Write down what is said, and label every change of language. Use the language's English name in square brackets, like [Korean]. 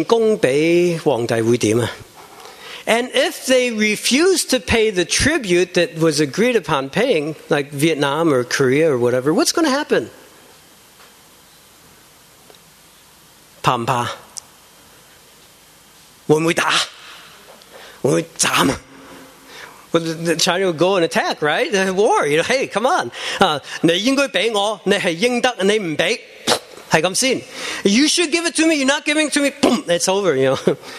[Cantonese] 如果那些越南、韩国等等不进贡给皇帝会怎样？ [English] And if they refuse to pay the tribute that was agreed upon paying, like Vietnam or Korea or whatever, what's going to happen? [Cantonese] 怕不怕? 会不会打?会不会斩? [English] Well, China would go and attack, right? War, you know, hey, come on. [Cantonese] 你应该给我，你是应得，你不给，是这样先。 [English] You should give it to me, you're not giving it to me, boom, it's over, you know.